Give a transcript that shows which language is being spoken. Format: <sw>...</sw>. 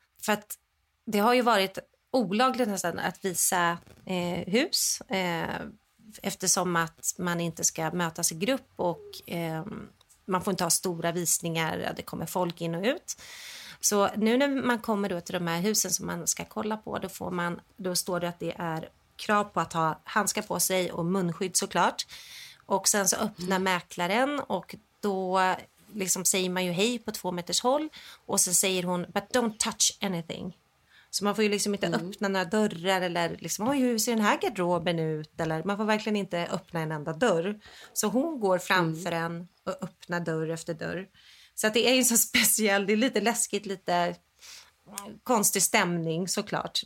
<sv>För att det har ju varit olagligt nästan att visa hus, eftersom att man inte ska mötas i grupp och man får inte ha stora visningar, det kommer folk in och ut. Så nu när man kommer då till de här husen som man ska kolla på, då står det att det är krav på att ha handskar på sig och munskydd såklart. Och sen så öppnar mäklaren och då liksom säger man ju hej på 2 meters håll. Och sen säger hon,</sv> <en>but don't touch anything.</en> <sv>Så man får ju liksom inte öppna några dörrar eller liksom, oj, hur ser den här garderoben ut? Eller man får verkligen inte öppna en enda dörr. Så hon går framför en och öppnar dörr efter dörr. Så att det är ju så speciellt, det är lite läskigt, lite konstig stämning såklart.</sv>